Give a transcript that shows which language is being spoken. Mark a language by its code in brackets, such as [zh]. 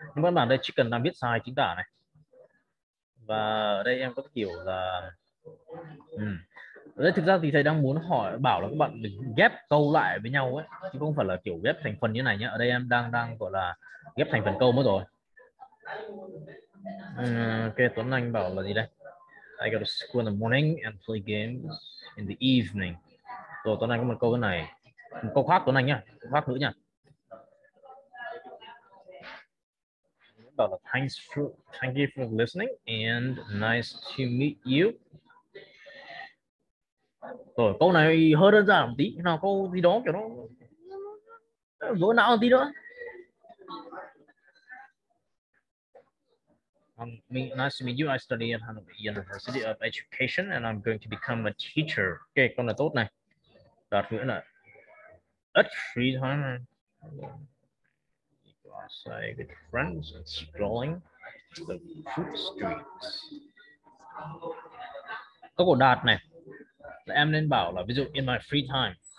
[vi] Nhưng các bạn đây chicken đang viết sai chính tả này. Và ở đây em có kiểu là đây thực ra thì thầy đang muốn hỏi bảo là các bạn ghép câu lại với nhau ấy, chứ không phải là kiểu ghép thành phần như này nhá. Ở đây em đang gọi là ghép thành phần câu mất rồi. Ok, Tuấn Anh bảo là gì đây? [en] I go to school in the morning and play games in the evening. [vi] Rồi Tuấn Anh có một câu cái này. Một câu khác Tuấn Anh nhá, khác nữa nhá. Bảo là [en] thank you for listening and nice to meet you. [vi] Rồi câu này hơi đơn giản một tí. Nào câu gì đó kiểu nó vỡ não một tí nữa. [en] Nice to meet you. I study at Hanoi University of Education and I'm going to become a teacher. [vi] Ok, câu này tốt này. Đạt nữa là [en] at free time say with friends and strolling the food streets. [vi] Câu của Đạt này là em nên bảo là ví dụ [en] in my free time.